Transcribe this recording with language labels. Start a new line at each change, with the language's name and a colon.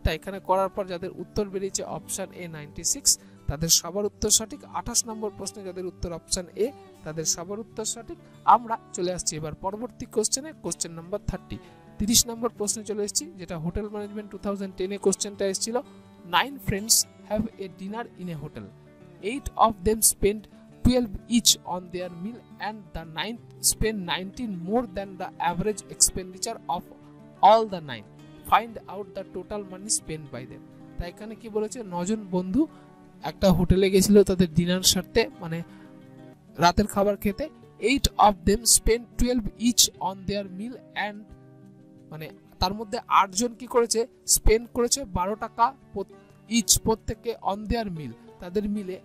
Bangla: তাই এখানে করার পর যাদের উত্তর বেরিয়েছে অপশান এ 96 তাদের সবার উত্তর সঠিক, 28 নম্বর প্রশ্নে যাদের উত্তর অপশান এ তাদের সবার উত্তর সঠিক। আমরা চলে আসছি এবার পরবর্তী কোশ্চেনে, কোশ্চেন নম্বর 30। 30 নম্বর প্রশ্নে চলে এসেছি যেটা হোটেল ম্যানেজমেন্ট 2010 এ কোশ্চেনটা এসেছিল।
English: 9 friends have a dinner in a hotel. 8 of them spent 12 each on their meal and the 9th spent 19 more than the average expenditure of all the 9. Find out the total money spent by them.
Bangla: তাই এখানে কি বলেছে, 9 জন বন্ধু একটা হোটেলে গেছিল তাদের dinner সারতে মানে রাতের খাবার খেতে।
English: 8 of them spent 12 each on their meal and
Bangla: মানে তার মধ্যে 8 জন কি করেছে, স্পেন্ড করেছে 12 টাকা ইচ প্রত্যেককে
English: on their meal
Bangla: তাদের মিলে।